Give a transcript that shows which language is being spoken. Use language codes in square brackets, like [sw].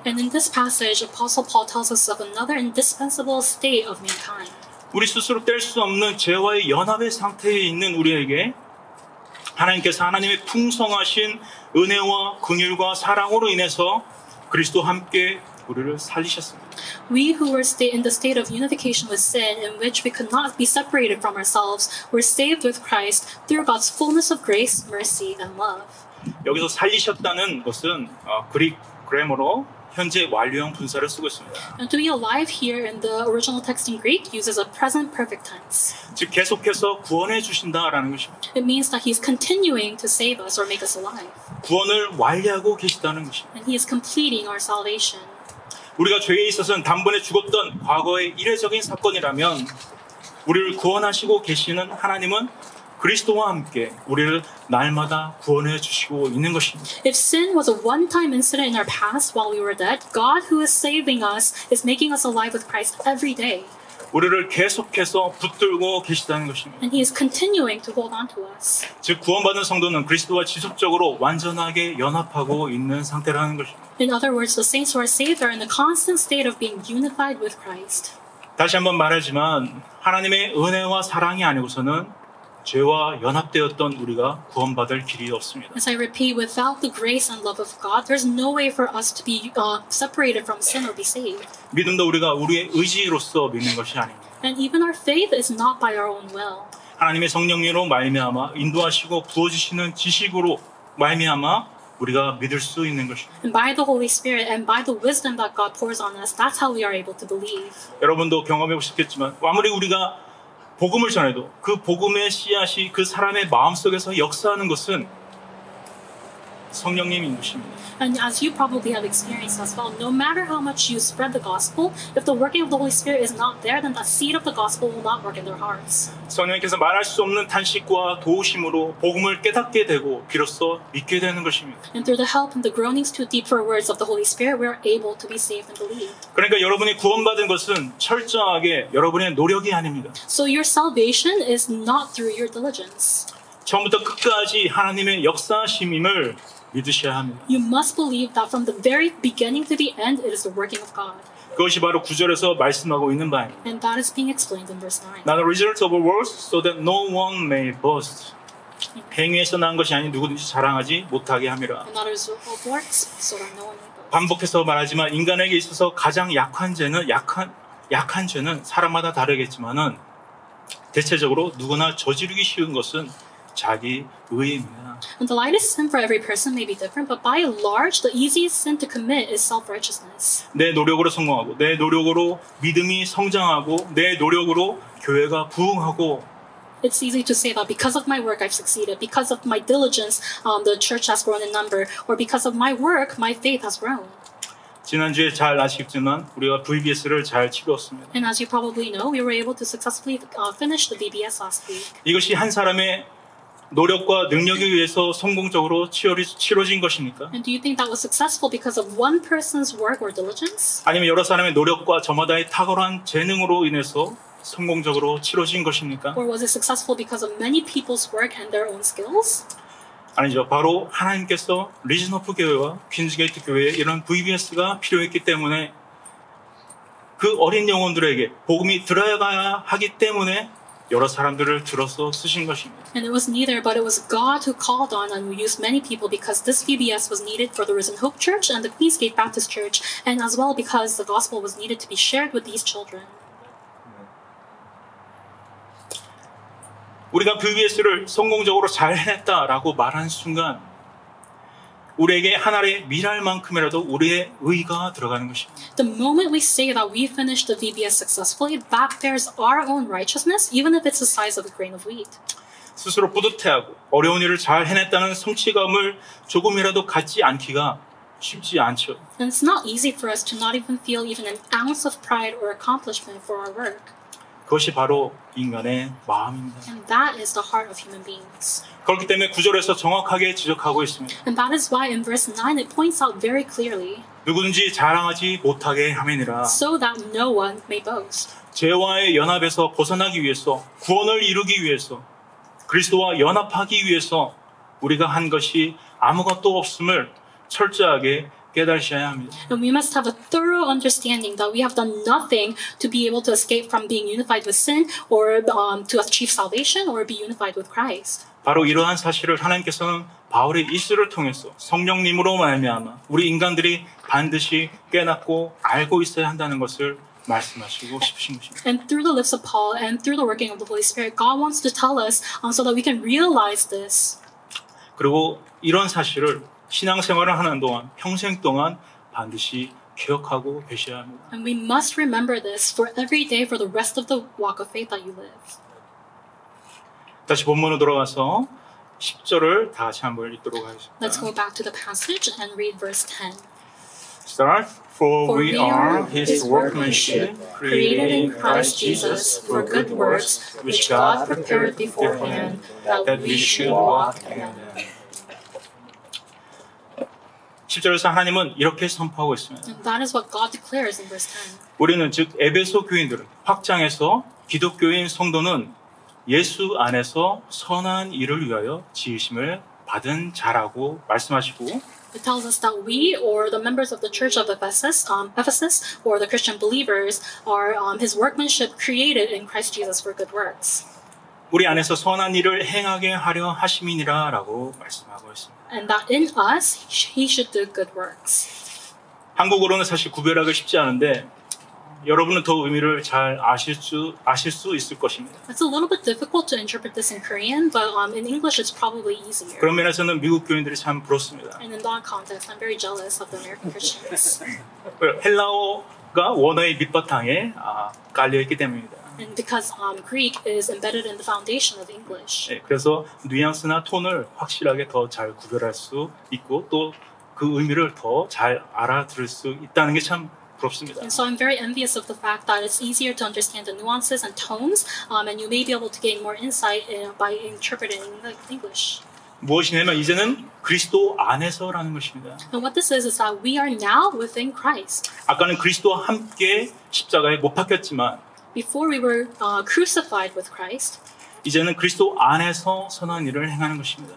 [en] And in this passage, Apostle Paul tells us of another indispensable state of mankind. [ko] 우리 스스로 뗄 수 없는 죄와의 연합의 상태에 있는 우리에게 하나님께서 하나님의 풍성하신 은혜와 긍휼과 사랑으로 인해서 그리스도 함께 우리를 살리셨습니다. [en] We who were in the state of unification with sin in which we could not be separated from ourselves were saved with Christ through God's fullness of grace, mercy, and love. [ko] 여기서 살리셨다는 것은 그리스 그램으로 현재 완료형 분사를 쓰고 있습니다. [en] And to be alive here in the original text in Greek uses a present perfect tense. [ko] 즉 계속해서 구원해 주신다라는 것입니다. [en] It means that he's continuing to save us or make us alive. [ko] 구원을 완료하고 계시다는 것입니다. [en] And he is completing our salvation. [ko] 우리가 죄에 있어서는 단번에 죽었던 과거의 이례적인 사건이라면 우리를 구원하시고 계시는 하나님은 그리스도와 함께 우리를 날마다 구원해 주시고 있는 것입니다. [en] If sin was a one-time incident in our past while we were dead, God who is saving us is making us alive with Christ every day. [ko] 우리를 계속해서 붙들고 계시다는 것입니다. [en] And he is continuing to hold on to us. [ko] 즉 구원받은 성도는 그리스도와 지속적으로 완전하게 연합하고 있는 상태라는 것입니다. [en] In other words, the saints who are saved are in a constant state of being unified with Christ. [ko] 다시 한번 말하지만 하나님의 은혜와 사랑이 아니고서는 죄와 연합되었던 우리가 구원받을 길이 없습니다. [en] As I repeat, without the grace and love of God, there's no way for us to be separated from sin or be saved. [ko] 믿음도 우리가 우리의 의지로서 믿는 것이 아닙니다. [en] And even our faith is not by our own will. [ko] 하나님의 성령으로 말미암아 인도하시고 부어주시는 지식으로 말미암아 우리가 믿을 수 있는 것입니다. [en] And by the Holy Spirit and by the wisdom that God pours on us, that's how we are able to believe. [ko] 여러분도 경험해 보셨겠지만 아무리 우리가 복음을 전해도 그 복음의 씨앗이 그 사람의 마음속에서 역사하는 것은 성령님인 것입니다. [en] And as you probably have experienced as well, no matter how much you spread the gospel, if the working of the Holy Spirit is not there, then the seed of the gospel will not work in their hearts. [ko] 성령님께서 말할 수 없는 탄식과 도우심으로 복음을 깨닫게 되고 비로소 믿게 되는 것입니다. [en] And through the help and the groanings too deep for words of the Holy Spirit, we are able to be saved and believe. [ko] 그러니까 여러분이 구원받은 것은 철저하게 여러분의 노력이 아닙니다. [en] So your salvation is not through your diligence. [ko] 처음부터 끝까지 하나님의 역사심임을 믿으셔야 합니다. [en] You must believe that from the very beginning to the end, it is the working of God. [ko] 그것이 바로 9절에서 말씀하고 있는 바입니다. [en] And that is being explained in verse 9. Now the result of our works, so that no one may boast. [ko] 행위에서 난 것이 아니 누구든지 자랑하지 못하게 함이라. [en] And that is the result of works, so that no one may boast. [ko] 반복해서 말하지만 인간에게 있어서 가장 약한 죄는 사람마다 다르겠지만은 대체적으로 누구나 저지르기 쉬운 것은 자기 의입니다. [en] And the lightest sin for every person may be different, but by and large, the easiest sin to commit is self-righteousness. [ko] 내 노력으로 성공하고, 내 노력으로 믿음이 성장하고, 내 노력으로 교회가 부흥하고. [en] It's easy to say that because of my work, I've succeeded. Because of my diligence, the church has grown in number. Or because of my work, my faith has grown. [ko] 지난주에 잘 아쉽지만 우리가 VBS를 잘 치렀습니다. [en] And as you probably know, we were able to successfully finish the VBS last week. [ko] 이것이 한 사람의 노력과 능력에 의해서 성공적으로 치러진 것입니까? [en] And do you think that was successful because of one person's work or diligence? [ko] 아니면 여러 사람의 노력과 저마다의 탁월한 재능으로 인해서 성공적으로 치러진 것입니까? [en] Or was it successful because of many people's work and their own skills? [ko] 아니죠. 바로 하나님께서 리즈너프 교회와 퀸즈게이트 교회에 이런 VBS가 필요했기 때문에 그 어린 영혼들에게 복음이 들어가야 하기 때문에 여러 사람들을 들어서 쓰신 것입니다. [en] And it was neither, but it was God who called on and used many people because this VBS was needed for the Risen Hope Church and the Queensgate Baptist Church, and as well because the gospel was needed to be shared with these children. [ko] 우리가 VBS를 성공적으로 잘 해냈다라고 말한 순간 우리에게 한 알의 밀알만큼이라도 우리의 의가 들어가는 것입니다. [en] The moment we say that we finished the VBS successfully, that bears our own righteousness, even if it's the size of a grain of wheat. [ko] 스스로 뿌듯해하고 어려운 일을 잘 해냈다는 성취감을 조금이라도 갖지 않기가 쉽지 않죠. [en] And it's not easy for us to not even feel even an ounce of pride or accomplishment for our work. [ko] 그것이 바로 인간의 마음입니다. [en] And that is the heart of human beings. [ko] 그렇기 때문에 구절에서 정확하게 지적하고 있습니다. [en] And that is why in verse 9 it points out very clearly. [ko] 누구든지 자랑하지 못하게 함이니라. [en] So that no one may boast. [ko] 죄와의 연합에서 벗어나기 위해서, 구원을 이루기 위해서, 그리스도와 연합하기 위해서 우리가 한 것이 아무것도 없음을 철저하게 깨달으셔야 합니다. [en] And we must have a thorough understanding that we have done nothing to be able to escape from being unified with sin or to achieve salvation or be unified with Christ. [ko] 바로 이러한 사실을 하나님께서는 바울의 일서를 통해서 성령님으로 말미암아 우리 인간들이 반드시 깨닫고 알고 있어야 한다는 것을 말씀하시고 싶으신 것입니다. [en] And through the lips of Paul and through the working of the Holy Spirit, God wants to tell us so that we can realize this. [ko] 그리고 이런 사실을 신앙생활을 하는 동안 평생 동안 반드시 기억하고 계셔야 합니다. [en] And we must remember this for every day for the rest of the walk of faith that you live. [ko] 다시 본문으로 돌아가서 10절을 다 같이 한번 읽도록 하겠습니다. [en] Let's go back to the passage and read verse 10. Start for we are his workmanship created in Christ Jesus for good works which God prepared beforehand that we should walk in them. [ko] 10절에서 하나님은 이렇게 선포하고 있습니다. [en] And that is what God declares in verse 10. [ko] 우리는 즉 에베소 교인들은 확장해서 기독교인 성도는 예수 안에서 선한 일을 위하여 지으심을 받은 자라고 말씀하시고 [en] It tells us that we or the members of the church of Ephesus, Ephesus or the Christian believers are his workmanship created in Christ Jesus for good works. [ko] 우리 안에서 선한 일을 행하게 하려 하심이니라라고 말씀하고 있습니다. [en] And that in us, he should do good works. [ko] 한국어로는 사실 구별하기 쉽지 않은데 여러분은 더 의미를 잘 아실 수 있을 것입니다. [en] It's a little bit difficult to interpret this in Korean, but in English, it's probably easier. [ko] 그런 면에서는 미국 교인들이 참 부럽습니다. [en] And in that context, I'm very jealous of the American Christians. [ko] 헬라어가 원어의 밑바탕에 깔려 있기 때문입니다. [en] And because Greek is embedded in the foundation of English. [ko] 네, 그래서 뉘앙스나 톤을 확실하게 더 잘 구별할 수 있고 또 그 의미를 더 잘 알아들을 수 있다는 게 참 부럽습니다. [en] And so I'm very envious of the fact that it's easier to understand the nuances and tones, and you may be able to gain more insight by interpreting the English. [ko] 무엇이냐면 이제는 그리스도 안에서라는 것입니다. [en] And what this is that we are now within Christ. [ko] 아까는 그리스도와 함께 십자가에 못 박혔지만 [en] Before we were crucified with Christ, [ko] 이제는 그리스도 안에서 선한 일을 행하는 것입니다.